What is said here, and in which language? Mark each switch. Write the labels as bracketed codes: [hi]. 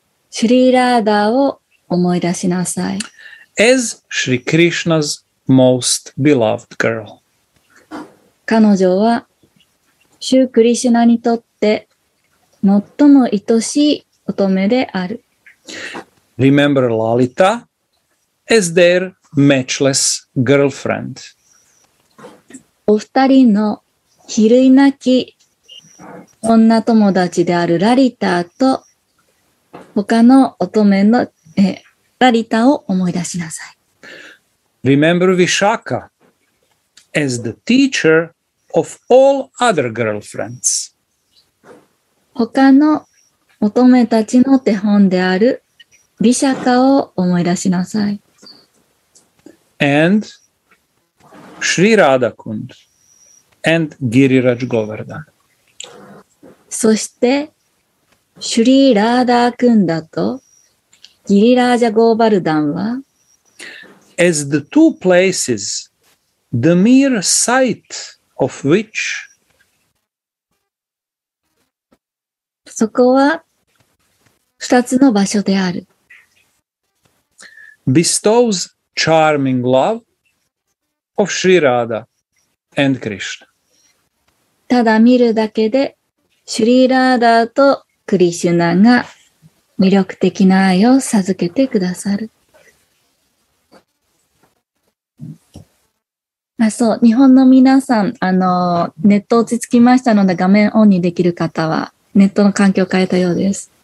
[ja] Shri Radha を思い出しなさい。 [en] As Shri Krishna's most beloved girl. [ja] 彼女は、シュークリシュナにとって最も愛しい乙女である。 [en] Remember Lalita as their matchless girlfriend. [ja] お二人の比類なき女友達であるラリタと他の乙女のラリタを思い出しなさい。 [en] Remember Vishaka as the teacher of all other girlfriends. [ja] 他の乙女たちの手本であるビシャカを思い出しなさい。 [en] And Shri Radha Kund and Giriraj Govardhan. [ja] そしてシュリー・ラーダー・クンダとギリラージャ・ゴーバルダンは [en] As the two places, the mere sight of which [ja] そこは二つの場所である [en] Bestows charming love of シュリー・ラーダー and クリシナ [ja] ただ見るだけでシュリー・ラーダーとクリシュナが魅力的な愛を授けてくださる。あ、そう、日本の皆さん、ネット落ち着きましたので、画面オンにできる方は、ネットの環境を変えたようです。